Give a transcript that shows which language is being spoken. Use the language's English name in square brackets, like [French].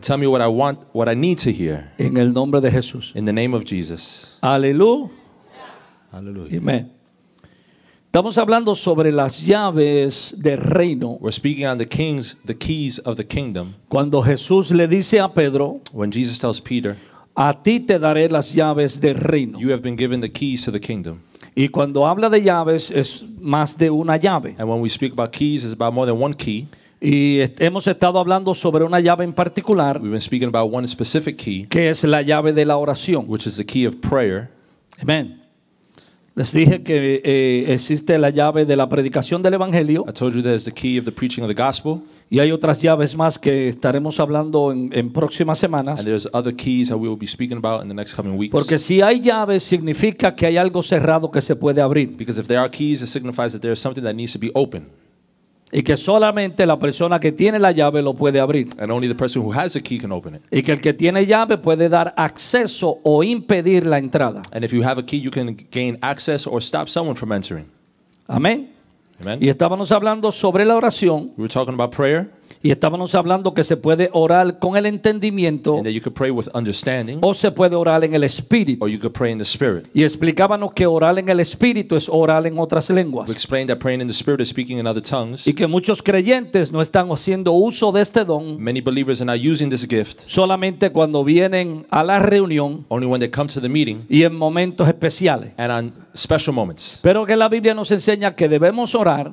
[English] Tell me what I want, what I need to hear. [Spanish] En el nombre de Jesús. [English] In the name of Jesus. [Spanish] Aleluya. Aleluya. Amen. Estamos hablando sobre las llaves del reino. [English] We're speaking on the kings, the keys of the kingdom. [Spanish] Cuando Jesús le dice a Pedro, [English] when Jesus tells Peter, [Spanish] a ti te daré las llaves del reino. [English] You have been given the keys to the kingdom. [Spanish] Y cuando habla de llaves es más de una llave. [English] And when we speak about keys, it's about more than one key. [Spanish] Y hemos estado hablando sobre una llave en particular. [English] We've been speaking about one specific key. [Spanish] Que es la llave de la oración. [English] Which is the key of prayer. Amen. [Spanish] Les dije que existe la llave de la predicación del evangelio. [English] I told you there's the key of the preaching of the gospel. [Spanish] Y hay otras llaves más que estaremos hablando en próximas semanas. [English] And there's other keys that we will be speaking about in the next coming weeks. [Spanish] Porque si hay llaves significa que hay algo cerrado que se puede abrir. [English] Because if there are keys, it signifies that there is something that needs to be open. [Spanish] Y que solamente la persona que tiene la llave lo puede abrir. [English] And only the person who has the key can open it. [Spanish] Y que el que tiene llave puede dar acceso o impedir la entrada. [English] And if you have a key, you can gain access or stop someone from entering. [Spanish] Amén. [English] Amen. [Spanish] Y estábamos hablando sobre la oración. [English] We were talking about prayer. [Spanish] Y estábamos hablando que se puede orar con el entendimiento. [English] And that you could pray with understanding. [Spanish] O se puede orar en el espíritu. [English] Or you could pray in the spirit. [Spanish] Y explicábamos que orar en el espíritu es orar en otras lenguas. [English] We explained that praying in the spirit is speaking in other tongues. [Spanish] Y que muchos creyentes no están haciendo uso de este don. [English] Many believers are not using this gift. [Spanish] Solamente cuando vienen a la reunión. [English] Only when they come to the meeting. [Spanish] Y en momentos especiales. [English] And on special moments. [Spanish] Pero que la Biblia nos enseña que debemos orar.